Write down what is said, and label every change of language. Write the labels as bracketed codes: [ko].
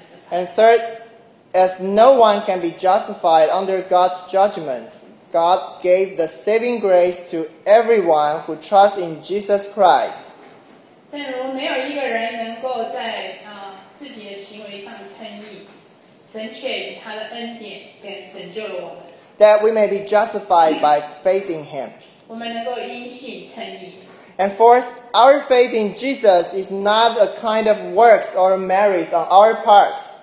[en] and third, as no one can be justified under God's judgment, God gave the saving grace to everyone who trusts in Jesus Christ. [zh] 正如没有一个人能够在自己的行为上称义，神却以他的恩典给拯救了我们。 [en] That we may be justified by faith in Him. [zh] 我们能够因信称义。 [en] And fourth, our faith in Jesus is not a kind of works or merits on our part.